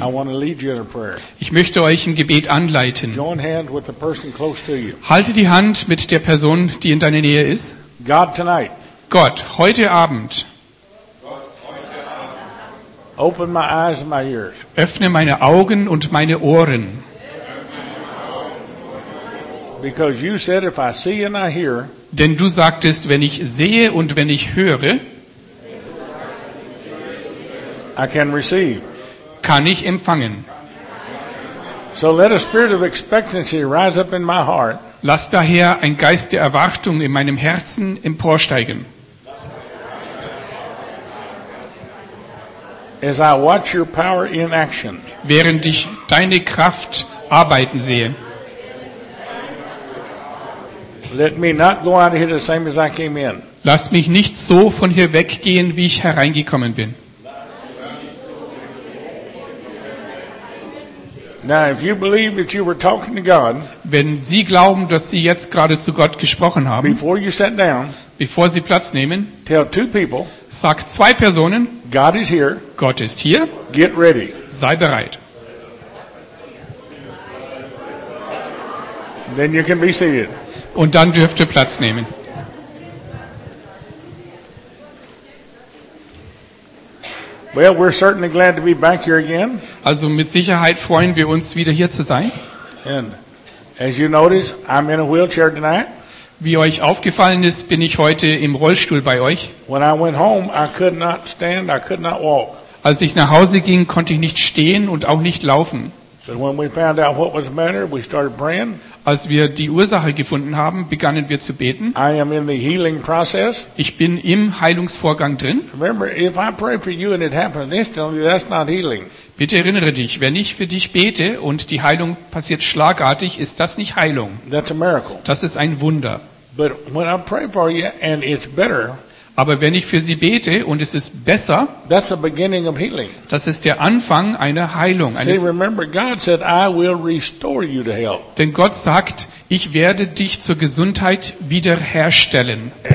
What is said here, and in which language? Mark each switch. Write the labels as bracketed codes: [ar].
[en] I want to lead you in a prayer. [de] Ich möchte euch im Gebet anleiten. [en] Join hands with the person close to you. [de] Halte die Hand mit der Person, die in deiner Nähe ist. [en] God tonight. [de] Gott, heute Abend. [en] Open my eyes and my ears. [de] Öffne meine Augen und meine Ohren. [en] Because you said if I see and I hear. [de] Denn du sagtest, wenn ich sehe und wenn ich höre, [en] I can receive. [de] Kann ich empfangen. [en] So let a spirit of expectancy rise up in my heart. [de] Lass daher ein Geist der Erwartung in meinem Herzen emporsteigen. [en] As I watch your power in action. [de] Während ich deine Kraft arbeiten sehe. [en] Let me not go out of here the same as I came in. [de] Lass mich nicht so von hier weggehen, wie ich hereingekommen bin. [en] Now, if you believe that you were talking to God, [de] wenn Sie glauben, dass Sie jetzt gerade zu Gott gesprochen haben, [en] before you sat down, [de] bevor Sie Platz nehmen, [en] tell two people, [de] sag zwei Personen, [en] God is here, [de] Gott ist hier, [en] get ready, [de] sei bereit. [en] Then you can be seated. [de] Und dann dürft ihr Platz nehmen. [en] Well, we're certainly glad to be back here again. [de] Also mit Sicherheit freuen wir uns wieder hier zu sein. [en] And as you notice, I'm in a wheelchair tonight. [de] Wie euch aufgefallen ist, bin ich heute im Rollstuhl bei euch. [en] When I went home, I could not stand, I could not walk. [de] Als ich nach Hause ging, konnte ich nicht stehen und auch nicht laufen. [en] But when we found out what was the matter, we started praying. [de] Als wir die Ursache gefunden haben, begannen wir zu beten. [en] I am in the healing process. [de] Ich bin im Heilungsvorgang drin. [en] Remember, if I pray for you and it happens instantly, that's not healing. [de] Bitte erinnere dich, wenn ich für dich bete und die Heilung passiert schlagartig, ist das nicht Heilung. [en] That's a miracle. [de] Das ist ein Wunder. [en] But when I pray for you and it's better, [de] aber wenn ich für sie bete und es ist besser, [en] that's the beginning of healing. [de] Das ist der Anfang einer Heilung. [en] See, remember, God said, I will restore you to health. [de] Denn Gott sagt, ich werde dich zur Gesundheit wiederherstellen.